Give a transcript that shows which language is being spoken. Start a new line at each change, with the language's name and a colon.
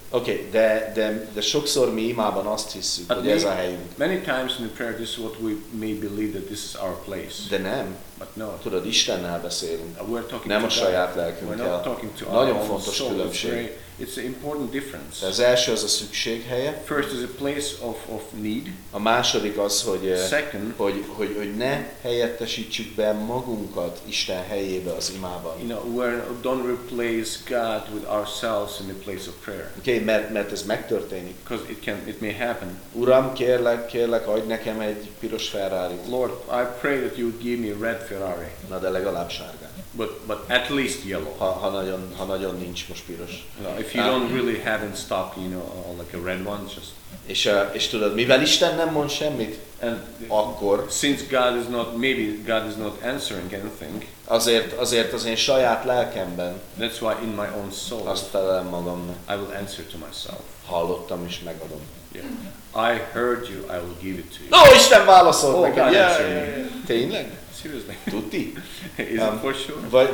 Hungarian: Okay, de sokszor mi imában azt hiszük, hogy ez a helyünk.
English: Many times in the prayer, this is what we may believe that this is our place.
Hungarian: De nem.
English: But no.
Hungarian: Tudod, Istennel beszélünk.
English: We're talking
Hungarian: nem
English: to
Hungarian: a saját lelkünkkel. Nagyon fontos különbség.
English: It's an important difference.
Hungarian: Az első az a szükséghelye.
English: First is a place of need.
Hungarian: A második az, hogy
English: second,
Hungarian: hogy ne helyettesítsük be magunkat Isten helyébe az imában.
English: You know, we're don't replace God with ourselves in the place of prayer.
Hungarian: Okay, mert ez megtörténik.
English: Because it may happen.
Hungarian: Uram, kérlek, adj nekem egy piros Ferrari.
English: Lord, I pray that you give me a red Ferrari.
Hungarian: Na, de legalább sárga.
English: But at least yellow.
Hungarian: Ha nagyon nincs most piros.
English: If you don't really have in stock, you know, like a red one, just.
Hungarian: És tudod, mivel Isten nem mond semmit,
English: and
Hungarian: akkor.
English: Since God is not, maybe God is not answering anything.
Hungarian: Azért az én saját lelkemben.
English: That's why in my own soul.
Hungarian: Azt felelem magamnak.
English: I will answer to myself.
Hungarian: Hallottam és megadom.
English: Yeah. I heard you. I will give it to you.
Hungarian: No, Isten válaszol nekem. Yeah. Tényleg?
English: Seriously?
Hungarian: Tuti?
English: Is it for sure?